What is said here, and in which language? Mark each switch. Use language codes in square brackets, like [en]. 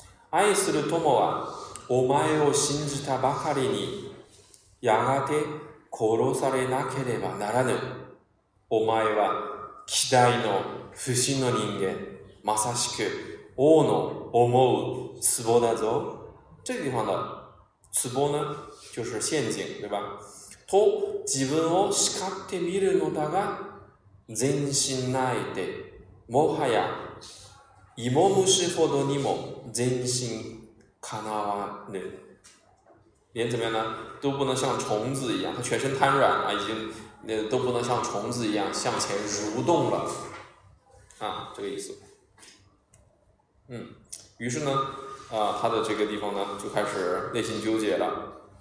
[ja] 愛する友は、お前を信じたばかりに、やがて殺されなければならぬ。お前は、希代の不死の人間、まさしく王の思う壺だぞ。 [zh] 这地方的壺呢、就是陷阱、对吧？ [ja] と自分を叱ってみるのだが、全身泣いて、もはや芋虫ほどにも全身かなわぬ。 [zh] 连怎么样呢？都不能像虫子一样，他全身瘫软了，已经那都不能像虫子一样向前蠕动了，啊，这个意思。嗯，于是呢，他的这个地方呢就开始内心纠结了。